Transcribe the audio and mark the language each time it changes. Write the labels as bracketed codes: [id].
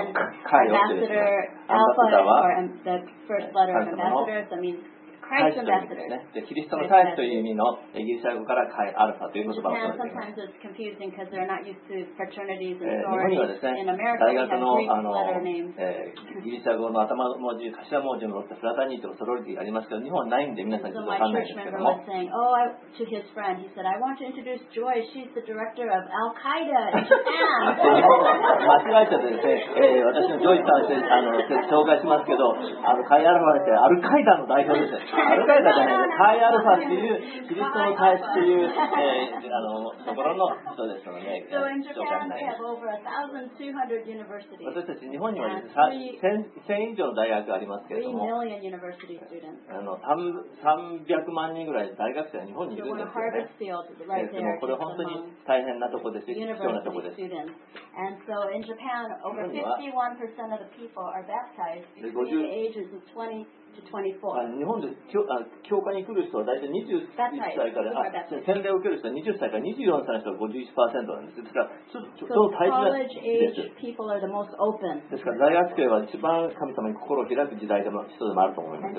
[ja] Chi を指す。 [en] Alpha is the first letter of ambassador, that means. Christ ambassadors. So, [ja] Christ の大使という意味の英語からカイアルファという言葉を使っています。 [en] Sometimes it's confusing because they're not used to fraternities and sororities. In America, we have Greek letter names. [ja] 大学の英語の頭文字頭文字のフラタニティとソロリティがありますけど、日本はないんで皆さんちょっとわかんないですけども。 [en] So my church member was saying, "Oh, to his friend, he said, 'I want to introduce Joy. She's the director of Al Qaeda in Japan.'" [ja] 間違えちゃってですね。私のジョイさんで紹介しますけど、カイアルファってアルカイダの代表です。アルカイダじゃないです。カイアルファっていう、キリストの大使っていう、ところの人ですので、私たち日本には1000以上の大学がありますけれども、300万人ぐらい大学生が日本にいるんですよね。でもこれ本当に大変なとこです。貴重なとこです。 [en] And so in Japan, over 51% of the people are baptized between the ages of 20 to 24. [ja] 日本で教会に来る人は大体20歳から、洗礼を受ける人は20歳から24歳の人が 51% なんです。ですから、ちょっと大事なんです。 [en] College age people are the most open. [ja] ですから、大学生は一番神様に心を開く時代でも人でもあると思います。